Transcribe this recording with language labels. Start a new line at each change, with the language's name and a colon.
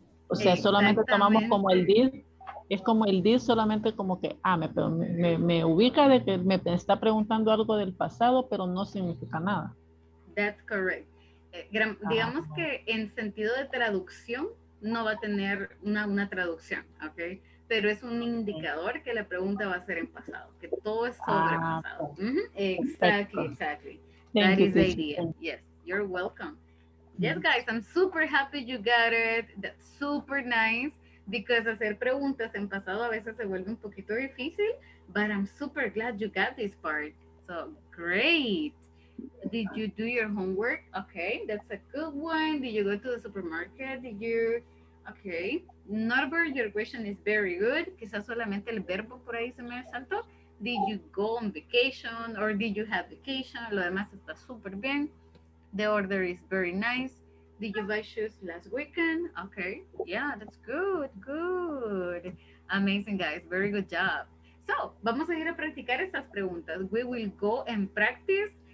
Spanish: O sea, solamente tomamos como el did, es como el did solamente como que, me ubica de que me está preguntando algo del pasado, pero no significa nada.
English: That's correct.
Spanish: Digamos que en sentido de traducción no va a tener una traducción, ¿ok? Pero es un indicador que la pregunta va a ser en pasado, que todo es sobre pasado.
English: Exactly. That is the idea. Yes, you're welcome. Yes, guys, I'm super happy you got it. That's super nice, because
Spanish: hacer preguntas en pasado a veces se vuelve un poquito difícil,
English: but I'm super glad you got this part. So, great. Did you do your homework? Okay, that's a good one. Did you go to the supermarket? Okay. Norbert, your question is very good.
Spanish: Quizás solamente el verbo por ahí se me saltó.
English: Did you go on vacation or did you have vacation?
Spanish: Lo demás está súper bien.
English: The order is very nice. Did you buy shoes last weekend? Okay. Yeah, that's good. Good. Amazing, guys. Very good job.
Spanish: So, vamos a ir a practicar estas preguntas.
English: We will go and practice.